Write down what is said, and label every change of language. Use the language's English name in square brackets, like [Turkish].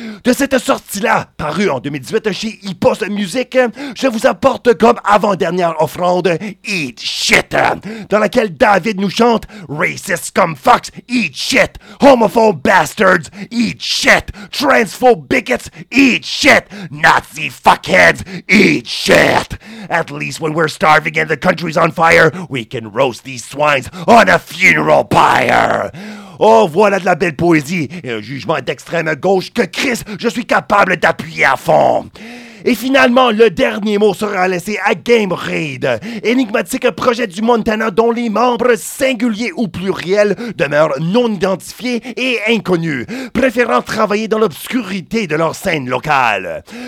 [French] De cette sortie-là, parue en 2018 chez Hippos Music, je vous apporte comme avant-dernière offrande Eat Shit, dans laquelle David nous chante [English] Racist Scum Fox, Eat Shit, [French] Homophobe Bastards, Eat Shit, Transphobe Bigots, Eat Shit, Nazi Fuckheads, Eat Shit. [English] At least when we're starving and the country's on fire, we can roast these swines on a funeral pyre. [French] Oh, voilà de la belle poésie et un jugement d'extrême gauche que Chris, je suis capable d'appuyer à fond. Et finalement, le dernier mot sera laissé à Game Raid, énigmatique projet du Montana dont les membres, singuliers ou pluriels, demeurent non identifiés et inconnus, préférant travailler dans l'obscurité de leur scène locale.